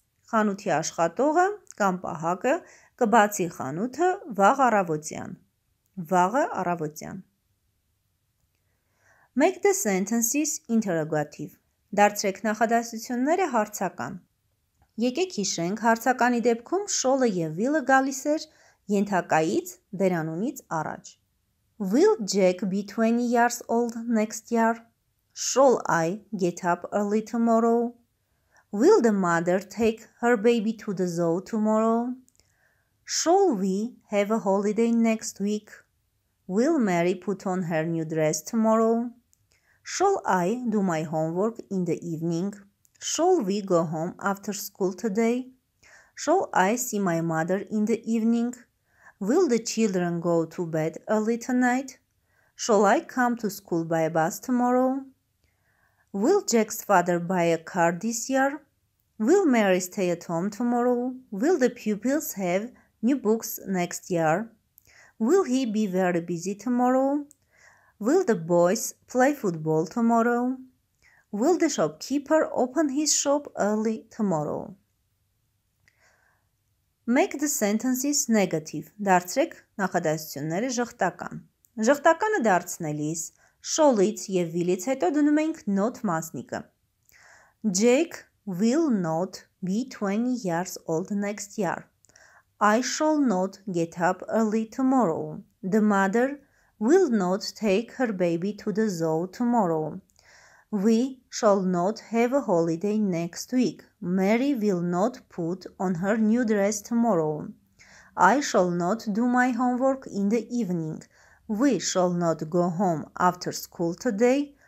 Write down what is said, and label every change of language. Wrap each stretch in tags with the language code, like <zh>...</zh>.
<hy>Խանութի աշխատողը կամ պահակը կբացի խանութը վաղ առավոտյան։ Վաղը առավոտյան։</hy> <en>Make the sentences interrogative.</en> <hy>Դարձրեք նախադասությունները հարցական։ Եկեք հիշենք, հարցականի դեպքում շոլը եւ վիլը գալիս էր ենթակայից, դերանունից առաջ։</hy> <en>Will Jake be 20 years old next year? Shall I get up early tomorrow? Will the mother take her baby to the zoo tomorrow? Shall we have a holiday next week? Will Mary put on her new dress tomorrow? Shall I do my homework in the evening? Shall we go home after school today? Shall I see my mother in the evening? Will the children go to bed early tonight? Shall I come to school by bus tomorrow? Will Jack's father buy a car this year? Will Mary stay at home tomorrow? Will the pupils have new books next year? Will he be very busy tomorrow? Will the boys play football tomorrow? Will the shopkeeper open his shop early tomorrow? Make the sentences negative.</en> <hy>Դարձրեք նախադասությունները ժխտական։ Ժխտականը դարձնելիս շոլից եւ վիլից հետո դնում ենք not մասնիկը։</hy> <en>Jake will not be 20 years old next year. I shall not get up early tomorrow. The mother will not take her baby to the zoo tomorrow. We shall not have a holiday next week. Mary will not put on her new dress tomorrow. I shall not do my homework in the evening. We shall not go home after school today.</en>